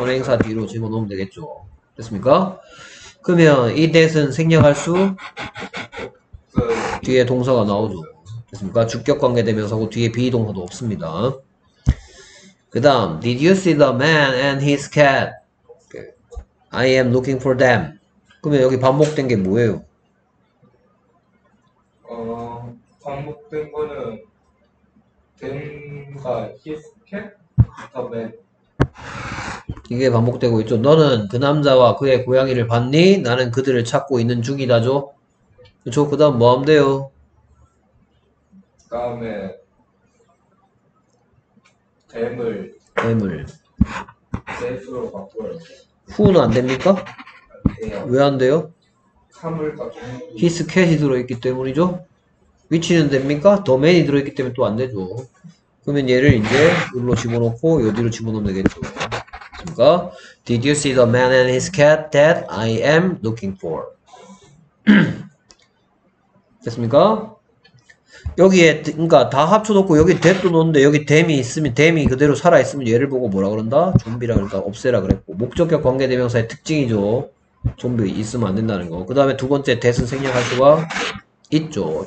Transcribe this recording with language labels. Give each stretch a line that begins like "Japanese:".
Korean: 언행사 뒤로 집어넣으면 되겠죠. 됐습니까? 그러면 이 that은 생략할 수? 뒤에 동사가 나오죠. 됐습니까? 주격 관계대명사고 뒤에 비동사도 없습니다. 그 다음,
English: Did you see the man and his cat? I am looking for them.
Korean: 그러면 여기 반복된 게 뭐예요? 반복된 거는 뱀과 히스캣 더맨 이게 반복되고 있죠. 너는 그 남자와 그의 고양이를 봤니? 나는 그들을 찾고 있는 중이다죠. 그쵸? 그 다음 뭐 하면 돼요? 다음에 뱀을 뱀을 뱀으로 바꿔야 후는 안 됩니까? 돼요. 왜안 돼요? 사물과 동물이 히스 캣이 들어있기 때문이죠? 위치는 됩니까? 더맨이 들어있기 때문에 또안 되죠. 그러면 얘를 이제 여기로 집어넣고 여기로 집어넣으면 되겠죠. 그러니까
English: Did you see the man and his cat that I am looking for?
Korean: 됐습니까? 여기에 그러니까 다 합쳐놓고 여기 뎁도 넣는데 여기 뎀이 있으면 뎀이 그대로 살아 있으면 얘를 보고 뭐라 그런다? 좀비라 그러니까 없애라 그랬고 목적격 관계대명사의 특징이죠. 좀비 있으면 안 된다는 거. 그 다음에 두 번째 뎁은 생략할 수가 있죠.